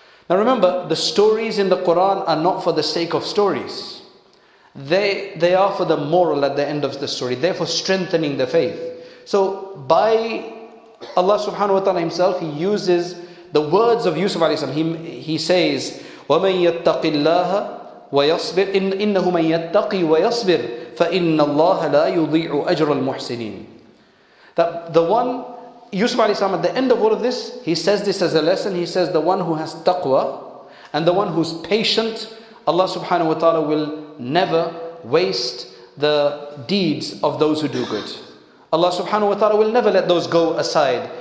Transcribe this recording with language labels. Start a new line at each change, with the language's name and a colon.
English: Now remember, the stories in the Quran are not for the sake of stories. They are for the moral at the end of the story. They're for strengthening the faith. So by Allah subhanahu wa ta'ala himself, he uses the words of Yusuf alayhi salam. He says,
Arabic: وَمَن يَتَّقِ اللَّهَ وَيَصْبِرْ إِنَّهُ مَن يَتَّقِي وَيَصْبِرْ فَإِنَّ اللَّهَ لَا يُضِيعُ أَجْرُ الْمُحْسِنِينَ.
English: That the one, Yusuf alayhi salam, at the end of all of this, he says this as a lesson. He says, the one who has taqwa and the one who's patient, Allah subhanahu wa ta'ala will never waste the deeds of those who do good. Allah subhanahu wa ta'ala will never let those go aside.